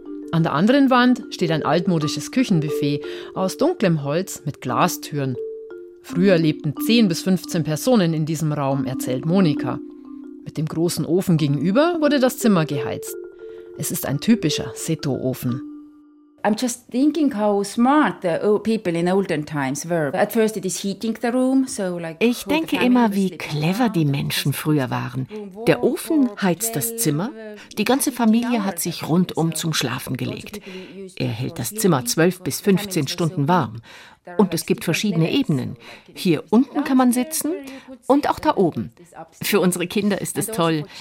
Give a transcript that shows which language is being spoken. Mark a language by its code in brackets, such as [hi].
[de] An der anderen Wand steht ein altmodisches Küchenbuffet aus dunklem Holz mit Glastüren. Früher lebten 10 bis 15 Personen in diesem Raum, erzählt Monika. Mit dem großen Ofen gegenüber wurde das Zimmer geheizt. Es ist ein typischer Seto-Ofen. [en] I'm just thinking how smart the people in olden times were. At first it is heating the room, so like. [de] Ich denke immer, wie clever die Menschen früher waren. Der Ofen heizt das Zimmer. Die ganze Familie hat sich rundum zum Schlafen gelegt. Er hält das Zimmer 12 bis 15 Stunden warm. Und es gibt verschiedene Ebenen. Hier unten kann man sitzen und auch da oben. Für unsere Kinder ist es toll.